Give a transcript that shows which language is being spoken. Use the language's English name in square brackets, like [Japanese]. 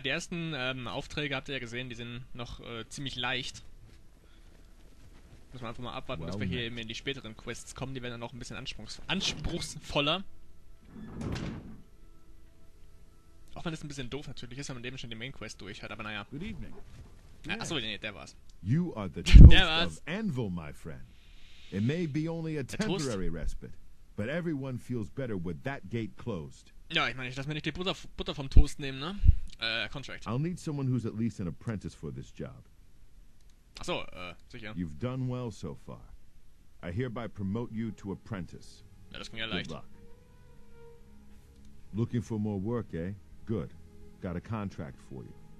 [German] die ersten Aufträge habt ihr ja gesehen, die sind noch ziemlich leicht. Muss man einfach mal abwarten, bis wir hier eben in die späteren Quests kommen. Die werden dann noch ein bisschen anspruchsvoller. Auch wenn das ein bisschen doof natürlich ist, wenn man eben schon die Main Quest durch hat, aber naja. [English] Good evening. [German] Achso, nee, der war's. [English] You are the toast of Anvil, my friend. It may be only a temporary respite, but everyone feels better with that gate closed. [German] Ja, ich meine, ich lass mir nicht die Butter vom Toast nehmen, ne? [English] Contract. I'll need someone who's at least an apprentice for this job. [German] Achso, sicher. [English] You've done well so far. I hereby promote you to apprentice. [German] Ja, das ging ja leicht. [English] Good luck. Looking for more work, eh? Good. Got a contract for you.